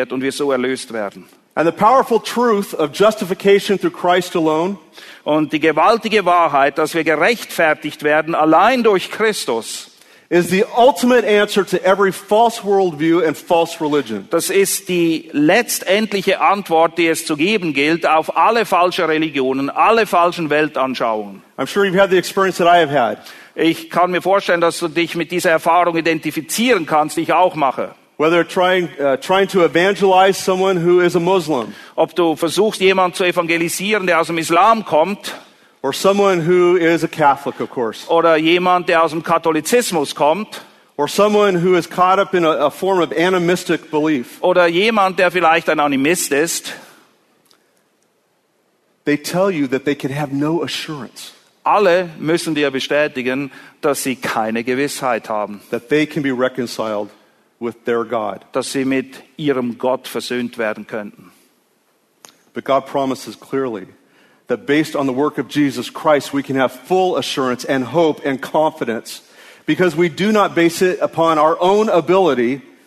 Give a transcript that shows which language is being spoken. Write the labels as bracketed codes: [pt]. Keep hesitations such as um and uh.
[en] And the powerful truth of justification through Christ alone. [de] Und die gewaltige Wahrheit, dass wir gerechtfertigt werden allein durch Christus. [en] Is the ultimate answer to every false worldview and false religion. [de] Das ist die letztendliche Antwort, die es zu geben gilt auf alle falsche Religionen, alle falschen Weltanschauungen. [en] I'm sure you've had the experience that I have had. [de] Ich kann mir vorstellen, dass du dich mit dieser Erfahrung identifizieren kannst, die ich auch mache. [en] Whether trying, uh, trying to evangelize someone who is a Muslim. [de] Ob du versuchst, jemanden zu evangelisieren, der aus dem Islam kommt. [en] Or someone who is a Catholic, of course. [de] Oder jemand, der aus dem Katholizismus kommt. [en] Or someone who is caught up in a, a form of animistic belief. [de] Oder jemand, der vielleicht ein Animist ist. [en] They tell you that they can have no assurance. [de] Alle müssen dir bestätigen, dass sie keine Gewissheit haben. [en] That they can be reconciled with their God. [de] Dass sie mit ihrem Gott versöhnt werden könnten. [en] But God promises clearly that based on the work of Jesus Christ, we can have full assurance and hope and confidence because we do not base it upon our own ability.